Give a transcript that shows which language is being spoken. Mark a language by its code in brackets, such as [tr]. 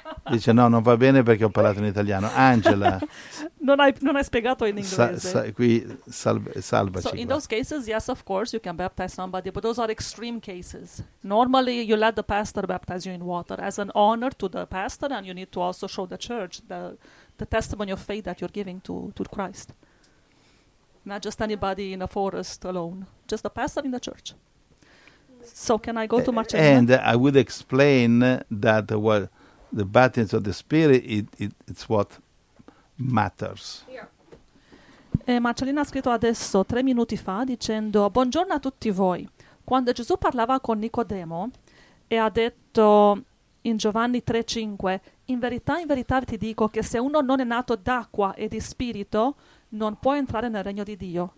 [it] Dice no, non va bene perché ho parlato in italiano. Angela, non hai spiegato in inglese. Salvaci. [en] So in those cases, yes, of course, you can baptize somebody, but those are extreme cases. Normally, you let the pastor baptize you in water as an honor to the pastor, and you need to also show the church the testimony of faith that you're giving to Christ. Not just anybody in a forest alone, just the pastor in the church. So can I go to Marcellina? And I would explain that the baptism of the Spirit, it's what matters. Yeah. [it] Marcellina ha scritto adesso, 3 minuti fa, dicendo: buongiorno a tutti voi. Quando Gesù parlava con Nicodemo e ha detto in Giovanni 3:5, in verità ti dico che se uno non è nato d'acqua e di spirito, non può entrare nel regno di Dio.